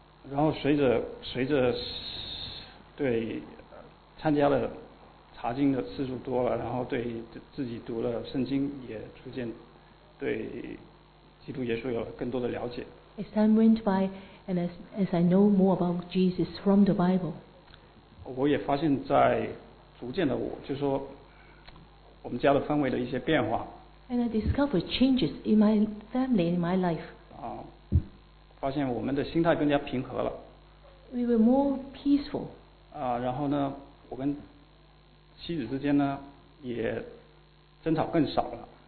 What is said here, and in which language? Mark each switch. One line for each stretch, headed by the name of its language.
Chinese: 然后随着对参加了查经的次数多了，然后对自己读了圣经也逐渐对基督耶稣有了更多的了解。
English: As time went by, and as I know more about Jesus from the Bible,
Chinese: 我也发现，在逐渐的就说我们家的氛围的一些变化。
English: And I discovered changes in my family, in my life.
Chinese: 发现我们的心态更加平和了。
English: We were more peaceful.
Chinese: 然后呢，我跟妻子之间呢也争吵更少了。